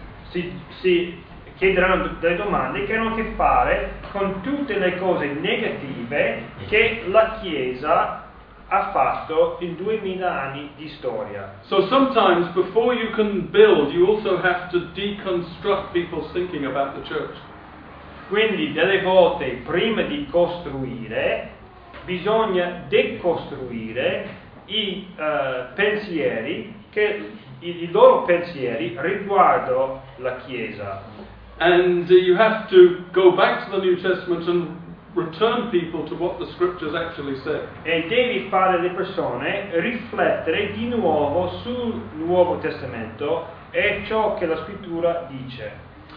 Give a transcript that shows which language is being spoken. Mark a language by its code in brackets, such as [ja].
[it] Si chiederanno delle domande che hanno a che fare con tutte le cose negative che la Chiesa ha fatto in 2000 anni di storia. [en] So sometimes before you can build, you also have to deconstruct people's thinking about the church. [it] Quindi delle volte prima di costruire bisogna decostruire i pensieri che i loro pensieri riguardo la Chiesa. [en] And you have to go back to the New Testament and return people to what the scriptures actually say. [it] E devi fare le persone riflettere di nuovo sul Nuovo Testamento e ciò che la scrittura dice.